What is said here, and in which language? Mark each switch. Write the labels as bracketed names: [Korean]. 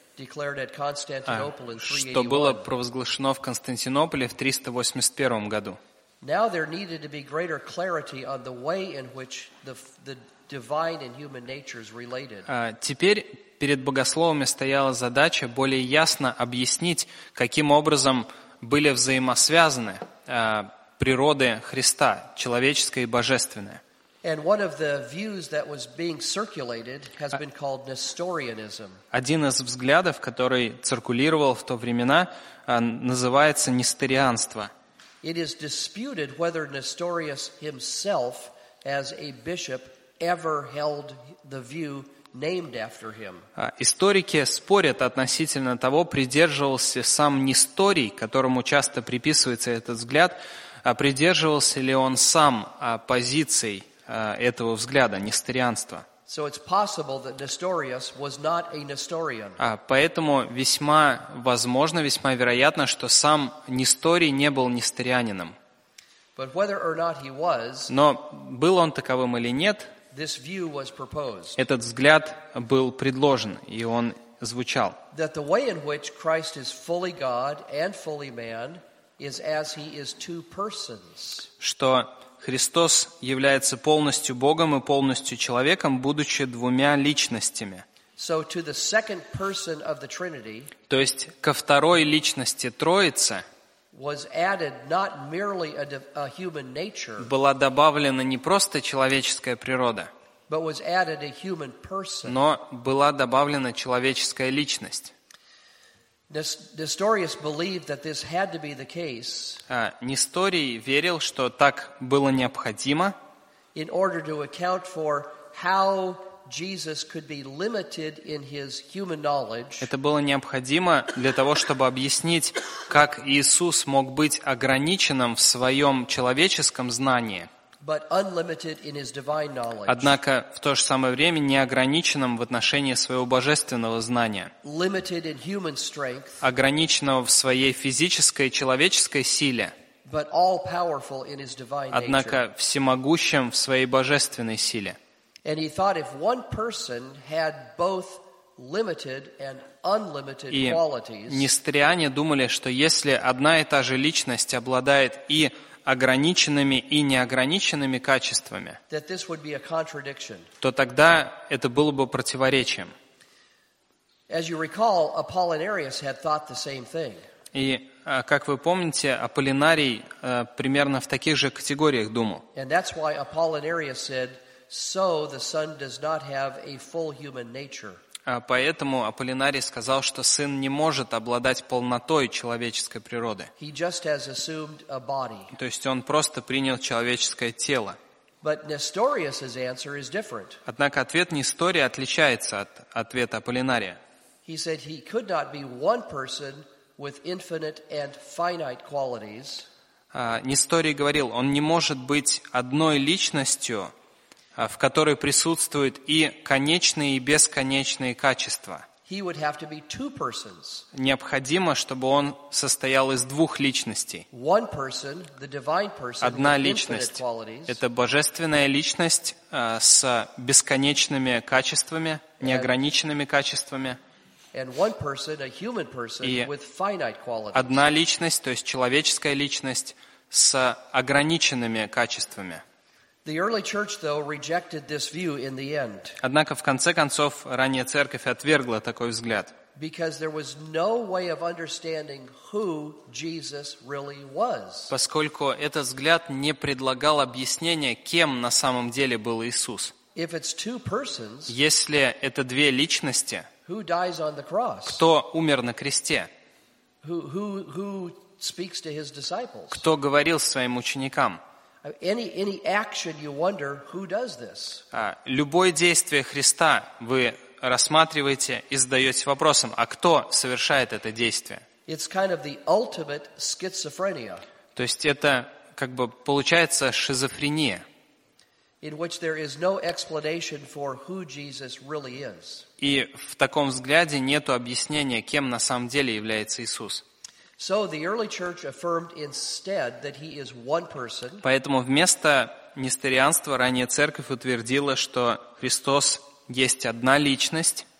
[English] Declared at Constantinople in 381. [Russian] Что было провозглашено в Константинополе в 381 году. [English] Now there needed to be greater clarity on the way in which the divine and human natures related. [Russian] Теперь перед богословами стояла задача более ясно объяснить, каким образом были взаимосвязаны природы Христа, человеческое и божественное. [English] And one of the views that was being circulated has been called Nestorianism. [Russian] Один из взглядов, который циркулировал в то времена, называется несторианство. [English] It is disputed whether Nestorius himself as a bishop ever held the view named after him. [Russian] Историки спорят относительно того, придерживался сам Несторий, которому часто приписывается этот взгляд, придерживался ли он сам позиций этого взгляда несторианства. [English] So it's possible that Nestorius was not a Nestorian. [Russian] Поэтому весьма возможно, весьма вероятно, что сам Несторий не был несторианином. [English] But whether or not he was, [Russian] но был он таковым или нет, [English] this view was proposed. [Russian] Этот взгляд был предложен, и он звучал. [English] That the way in which Christ is fully God and fully man is as he is two persons. [Russian] Что Христос является полностью Богом и полностью человеком, будучи двумя личностями. [English] So to the second person of the Trinity, [Russian] то есть ко второй личности Троицы, [English] was added not merely a human nature, [Russian] была добавлена не просто человеческая природа, [English] but was added a human person. [Russian] Но была добавлена человеческая личность. [English] Nestorius believed that this had to be the case. [Russian] Несторий верил, что так было необходимо, [English] in order to account for how Jesus could be limited in his human knowledge. [Russian] Это было необходимо для того, чтобы объяснить, как Иисус мог быть ограниченным в своем человеческом знании. [English] But unlimited in his divine knowledge. [Russian] Однако в то же самое время неограниченным в отношении своего божественного знания. [English] Limited in human strength. [Russian] Ограниченного в своей физической и человеческой силе. [English] But all powerful in his divine nature. [Russian] Однако всемогущим в своей божественной силе. [English] And he thought if one person had both limited and unlimited qualities. [Russian] И несториане думали, что если одна и та же личность обладает и ограниченными, и неограниченными качествами, [English] that this would be a contradiction. [Russian] То тогда это было бы противоречием. [English] As you recall, Apollinarius had thought the same thing. [Russian] И как вы помните, Аполлинарий примерно в таких же категориях думал. [English] And that's why Apollinarius said, so the Son does not have a full human nature. [Russian] Поэтому Аполлинарий сказал, что Сын не может обладать полнотой человеческой природы. [English] He just has assumed a body. [Russian] То есть он просто принял человеческое тело. [English] But Nestorius's answer is different. [Russian] Однако ответ Нестория отличается от ответа Аполлинария. [English] He said he could not be one person with infinite and finite qualities. [Russian] Несторий говорил, он не может быть одной личностью, в которой присутствуют и конечные, и бесконечные качества. [English] He would have to be two persons. [Russian] Необходимо, чтобы он состоял из двух личностей. [English] One person, the divine person, [Russian] одна личность [English] with infinite qualities. [Russian] Это божественная личность с бесконечными качествами, неограниченными качествами. [English] And one person, a human person, [Russian] и [English] with finite qualities. [Russian] Одна личность, то есть человеческая личность с ограниченными качествами. [English] The early church, though, rejected this view in the end. [Russian] Однако в конце концов ранняя церковь отвергла такой взгляд. [English] Because there was no way of understanding who Jesus really was. [Russian] Поскольку этот взгляд не предлагал объяснения, кем на самом деле был Иисус. [English] If it's two persons, [Russian] если это две личности, [English] who dies on the cross? [Russian] Кто умер на кресте? [English] Who speaks to his disciples? [Russian] Кто говорил своим ученикам? [English] Any action you wonder who does this? [Russian] Любое действие Христа вы рассматриваете и задаете вопросом, а кто совершает это действие? [English] It's kind of the ultimate schizophrenia. [Russian] То есть это как бы получается шизофрения. [English] in which there is no explanation for who Jesus really is. [Russian] И в таком взгляде нету объяснения, кем на самом деле является Иисус. [English] So the early church affirmed instead that he is one person. [Russian] Поэтому вместо несторианства ранняя церковь утвердила, что Христос есть одна личность.